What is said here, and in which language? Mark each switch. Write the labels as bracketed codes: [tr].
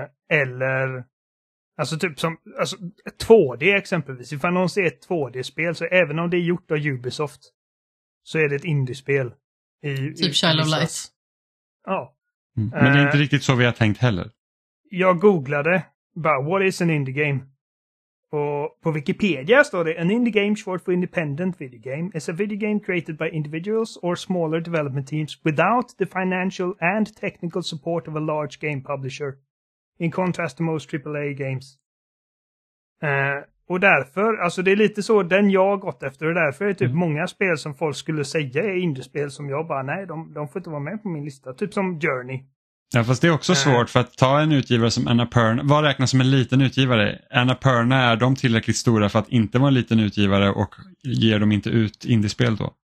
[sv] Eller alltså typ som alltså 2D exempelvis. Ifall någon ser ett 2D-spel så även om det är gjort av Ubisoft så är det ett indiespel. Typ Child of Light. Ja. Men det är inte riktigt så vi har tänkt heller. Jag googlade bara, [en] what is an indie game? [sv] På Wikipedia står det: [en] an indie game short for independent video game is a video game created by individuals or smaller development teams without the financial and technical support of a large game publisher, in contrast to most AAA games. [sv] Och därför, alltså det är lite så den jag har gått efter, och därför är det typ många spel som folk skulle säga är indie-spel som jag bara, nej, de får inte vara med på min lista, typ som Journey. Ja, fast det är också svårt, för att ta en utgivare som Annapurna, vad räknas som en liten utgivare? Annapurna, är de tillräckligt stora för att inte vara en liten utgivare, och ger de inte ut indiespel då?